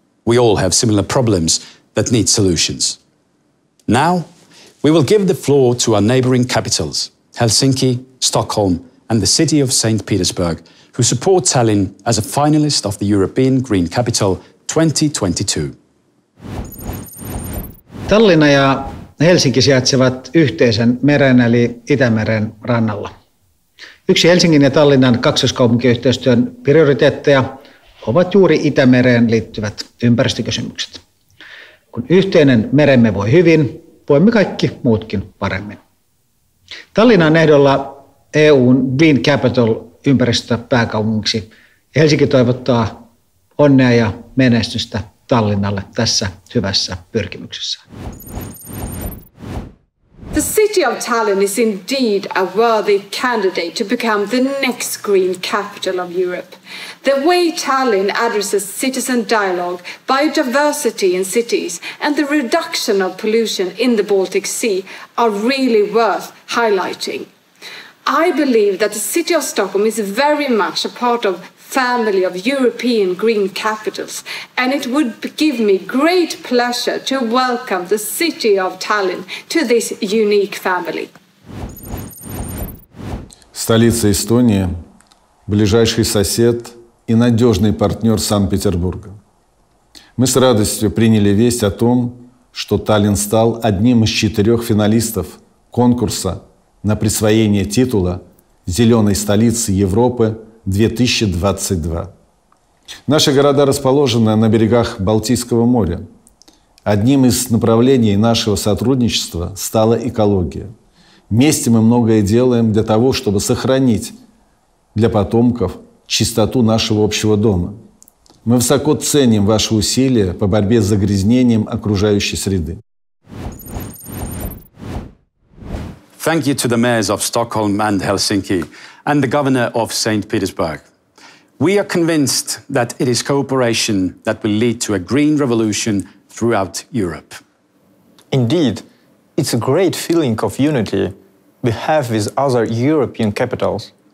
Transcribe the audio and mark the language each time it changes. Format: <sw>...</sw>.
<en>We all have similar problems that need solutions. Now, we will give the floor to our neighboring capitals, Helsinki, Stockholm, and the city of St. Petersburg, who support Tallinn as a finalist of the European Green Capital 2022.</en> <fi>Tallinna ja Helsinki sijaitsevat yhteisen meren eli Itämeren rannalla. Yksi Helsingin ja Tallinnan kaksoiskaupunkiyhteistyön prioriteetteja ovat juuri Itämereen liittyvät ympäristökysymykset. Kun yhteinen meremme voi hyvin, voimme kaikki muutkin paremmin. Tallinnan ehdolla EU:n Green Capital ympäristöpääkaupungiksi Helsinki toivottaa onnea ja menestystä Tallinnalle tässä hyvässä pyrkimyksessä.</fi> <en>The city of Tallinn is indeed a worthy candidate to become the next green capital of Europe. The way Tallinn addresses citizen dialogue, biodiversity in cities and the reduction of pollution in the Baltic Sea are really worth highlighting. I believe that the city of Stockholm is very much a part of family of European green capitals, and it would give me great pleasure to welcome the city of Tallinn to this unique family.</en> <ru>Столица Эстонии, ближайший сосед и надежный партнер Санкт-Петербурга. Мы с радостью приняли весть о том, что Таллинн стал одним из четырех финалистов конкурса на присвоение титула «Зеленой столицы Европы 2022. Наши города расположены на берегах Балтийского моря. Одним из направлений нашего сотрудничества стала экология. Вместе мы многое делаем для того, чтобы сохранить для потомков чистоту нашего общего дома. Мы высоко ценим ваши усилия по борьбе с загрязнением окружающей среды.</ru> <en>Thank you to the mayors of Stockholm and Helsinki and the governor of St. Petersburg. We are convinced that it is cooperation that will lead to a green revolution throughout Europe. Indeed, it's a great feeling of unity we have with other European capitals.</en>